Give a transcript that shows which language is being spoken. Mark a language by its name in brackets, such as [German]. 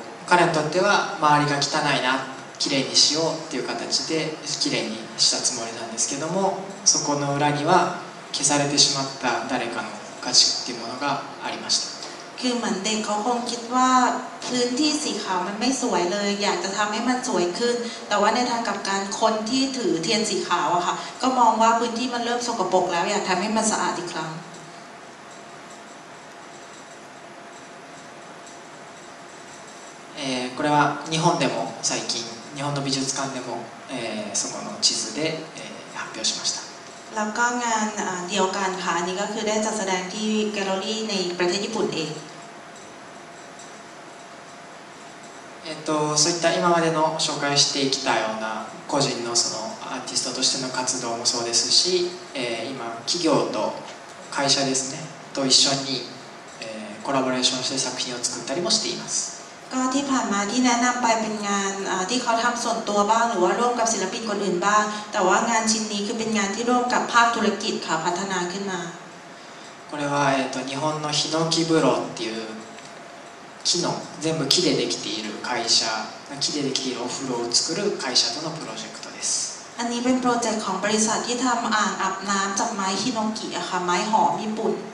[Japanese] 彼にとっては周りが汚いな綺麗にしようっていう形で綺麗にしたつもりなんですけどもそこの裏には消されてしまった誰かの価値っていうものがありました [Thai] คือเหมือนเด็กเขาคงคิดว่าพื้นที่สีขาวมันไม่สวยเลยอยากจะทำให้มันสวยขึ้นแต่ว่าในทางกลับกันคนที่ถือเทียนสีขาวอะค่ะก็มองว่าพื้นที่มันเริ่มสกปรกแล้วอยากทำให้มันสะอาดอีกครั้ง [Japanese] これは日本でも最近日本の美術館でも、そこの地図で、発表しました。 [Thai] แล้วก็งานเดียวกันค่ะนี่ก็คือได้จัดแสดงที่แกลเลอรี่ในประเทศญี่ปุ่นเอง [Japanese] そういった今までの紹介してきたような個人のそのアーティストとしての活動もそうですし、今企業と会社ですねと一緒に、コラボレーションして作品を作ったりもしています [Thai] ก็ที่ผ่านมาที่แนะนำไปเป็นงานที่เขาทำส่วนตัวบ้างหรือว่าร่วมกับศิลปินคนอื่นบ้างแต่ว่างานชิ้นนี้คือเป็นงานที่ร่วมกับภาคธุรกิจค่ะพัฒนาขึ้นมา [Japanese] これは日本のヒノキ風呂っていう木の全部木でできている会社木でできているお風呂を作る会社とのプロジェクトです [Thai] อันนี้เป็นโปรเจกต์ของบริษัทที่ทำอ่างอาบน้ำจากไม้ฮิโนกิค่ะไม้หอมญี่ปุ่น